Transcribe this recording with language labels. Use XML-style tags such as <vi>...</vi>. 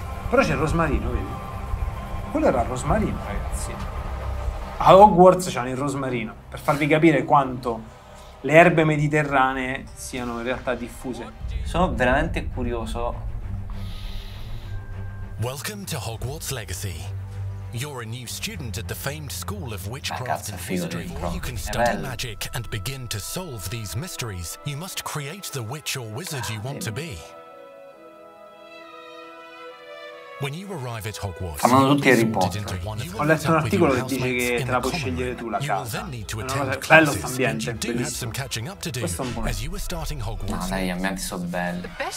<it>Però c'è il rosmarino, vedi? Quello era il rosmarino, ragazzi. A Hogwarts c'hanno il rosmarino, per farvi capire quanto le erbe mediterranee siano in realtà diffuse. Sono veramente curioso.</it> <en>Welcome to Hogwarts Legacy. You're a new student at the famed School of Witchcraft and Wizardry. Before you can study magic and begin to solve these mysteries, you must create the witch or wizard you want to be. When you arrive at Hogwarts,</en> <it>fanno tutti Harry Potter. Ho letto un articolo che dice che te la puoi scegliere tu la casa. È una cosa, bello st'ambiente, bellissimo. Questo è un buono. No, dai, ambienti sono belli.</it>